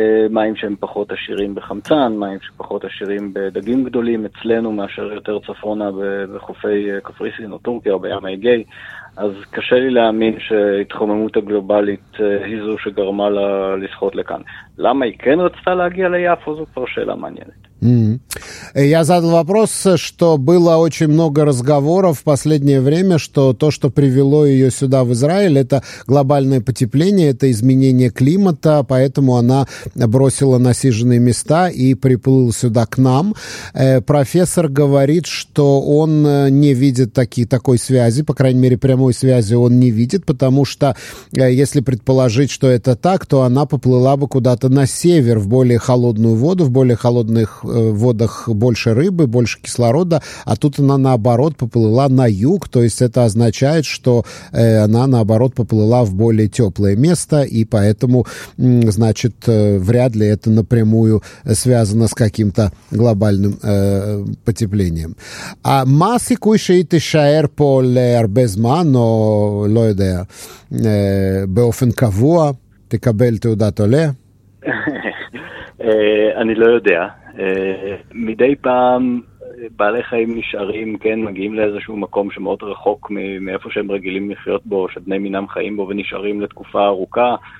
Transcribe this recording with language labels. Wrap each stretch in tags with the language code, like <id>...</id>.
<he>מים שהם פחות עשירים בחמצן, מים שפחות עשירים בדגים גדולים אצלנו מאשר יותר צפונה בחופי קפריסין או טורקיה או בים האגאי, אז קשה לי להאמין שהתחוממות הגלובלית היא זו שגרמה לה לשחות לכאן. למה היא כן רצתה להגיע ליפו? זו כבר שאלה מעניינת.</he> <ru>Я задал вопрос, что было очень много разговоров в последнее время, что то, что привело ее сюда, в Израиль, это глобальное потепление, это изменение климата, поэтому она бросила насиженные места и приплыла сюда к нам. Профессор говорит, что он не видит такой связи, по крайней мере, прямой связи он не видит, потому что, если предположить, что это так, то она поплыла бы куда-то на север, в более холодную воду, в более холодных водах больше рыбы, больше кислорода, а тут она, наоборот, поплыла на юг, то есть это означает, что она, наоборот, поплыла в более теплое место, и поэтому, значит, вряд ли это напрямую связано с каким-то глобальным потеплением. А масы кушает и шаэр по лэр безма, но лойдэ бэофен кавуа, ты кабель ты удато лэ? Они лойдэ,</ru> <he>מדי פעם בעלי חיים נשארים, כן, מגיעים לאיזשהו מקום שמאוד רחוק מאיפה שהם רגילים לחיות בו, שבני מינם חיים בו ונשארים לתקופה ארוכה.</he>